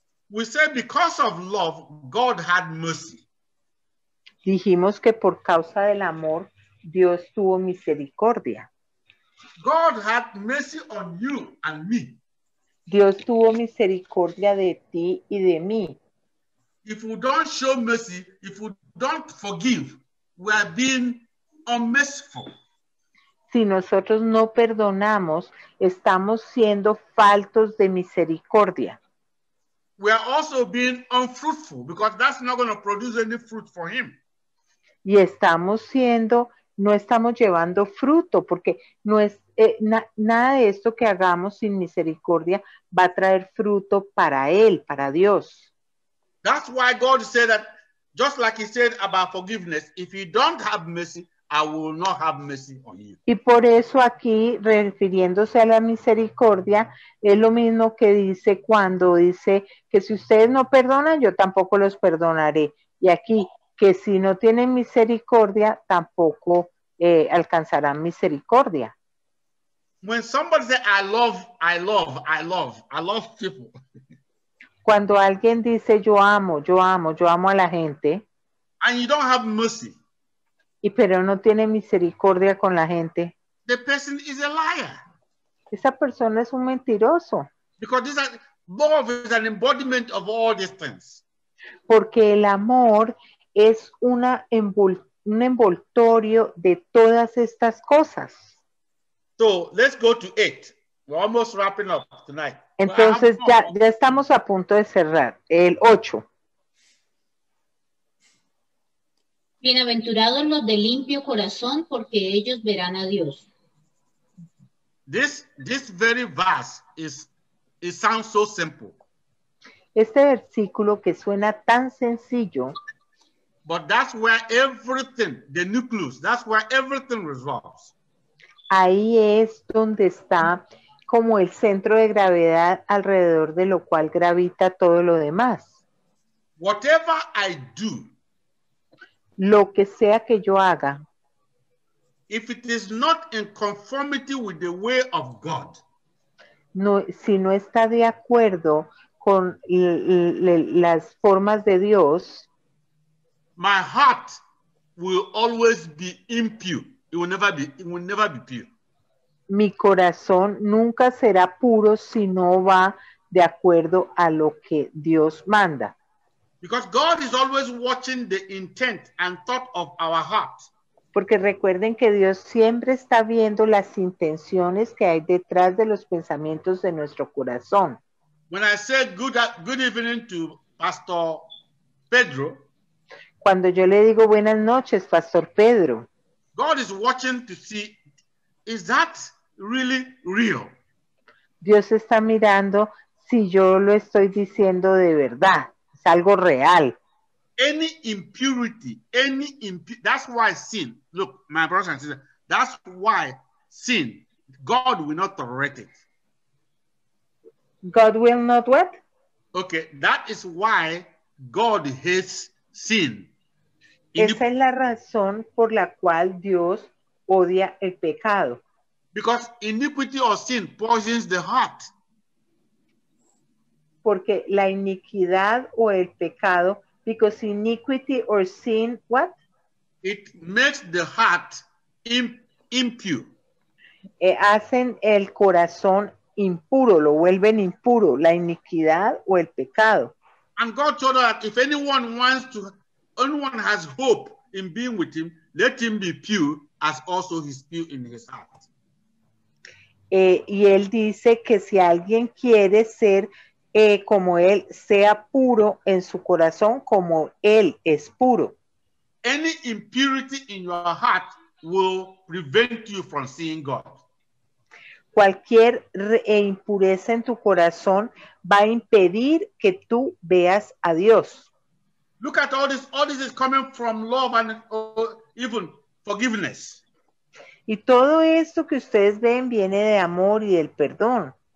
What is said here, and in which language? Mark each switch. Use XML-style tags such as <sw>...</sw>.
<en>We said because of love, God had mercy.</en> <es>Dijimos que por causa del amor, Dios tuvo misericordia.</es> <en>God had mercy on you and me.</en> <es>Dios tuvo misericordia de ti y de mí.</es> <en>If we don't show mercy, if we don't forgive, we are being unmerciful.</en> <es>Si nosotros no perdonamos, estamos siendo faltos de misericordia.</es> <en>We are also being unfruitful because that's not going to produce any fruit for him.</en> <es>Y estamos siendo, no estamos llevando fruto porque no es nada de esto que hagamos sin misericordia va a traer fruto para él, para Dios.</es> <en>That's why God said that, just like he said about forgiveness, if you don't have mercy, I will not have mercy on you.</en> <es>Y por eso aquí, refiriéndose a la misericordia, es lo mismo que dice cuando dice que si ustedes no perdonan, yo tampoco los perdonaré. Y aquí, que si no tienen misericordia, tampoco alcanzarán misericordia.</es> <en>When somebody says, I love people.</en> <es>Cuando alguien dice, yo amo a la gente.</es> <en>And you don't have mercy.</en> <es>Y pero no tiene misericordia con la gente.</es> <en>The person is a liar.</en> <es>Esa persona es un mentiroso.</es> <en>Because this love is an embodiment of all these things.</en> <es>Porque el amor es un envoltorio de todas estas cosas.</es> <en>So, let's go to 8. We're almost wrapping up tonight.</en> <es>Entonces, ya estamos a punto de cerrar. El 8. Bienaventurados los de limpio corazón, porque ellos verán a Dios.</es> <en>This very verse it sounds so simple.</en> <es>Este versículo que suena tan sencillo.</es> <en>But that's where everything, the nucleus, that's where everything revolves.</en> <es>Ahí es donde está como el centro de gravedad alrededor de lo cual gravita todo lo demás.</es> <en>Whatever I do,</en> <es>lo que sea que yo haga,</es> <en>if it is not in conformity with the way of God,</en> <es>no, si no está de acuerdo con las formas de Dios,</es> <en>my heart will always be impure. It will never be pure.</en> <es>Mi corazón nunca será puro si no va de acuerdo a lo que Dios manda.</es> <en>Because God is always watching the intent and thought of our heart.</en> <es>Porque recuerden que Dios siempre está viendo las intenciones que hay detrás de los pensamientos de nuestro corazón.</es> <en>When I said good evening to Pastor Pedro,</en> <es>cuando yo le digo buenas noches, Pastor Pedro,</es> <en>God is watching to see, is that really real?</en> <es>Dios está mirando si yo lo estoy diciendo de verdad, es algo real.</es> <en>Any impurity, that's why sin, look, my brothers and sisters, that's why sin, God will not tolerate it. God will not what? Okay, that is why God hates sin.</en> <es>Esa es la razón por la cual Dios odia el pecado.</es> <en>Because iniquity or sin poisons the heart.</en> <es>Porque la iniquidad o el pecado,</es> <en>because iniquity or sin, what? It makes the heart impure.</en> <es>Hacen el corazón impuro, lo vuelven impuro, la iniquidad o el pecado.</es> <en>And God told us that if anyone wants to, anyone has hope in being with him, let him be pure as also he's pure in his heart.</en> <es>Y él dice que si alguien quiere ser como él, sea puro en su corazón como él es puro.</es> <en>Any impurity in your heart will prevent you from seeing God.</en> <es>Cualquier impureza en tu corazón va a impedir que tú veas a Dios.</es> <en>Look at all this. All this is coming from love and even forgiveness.</en> <es>Y todo esto que ustedes ven viene de amor y del perdón.</es>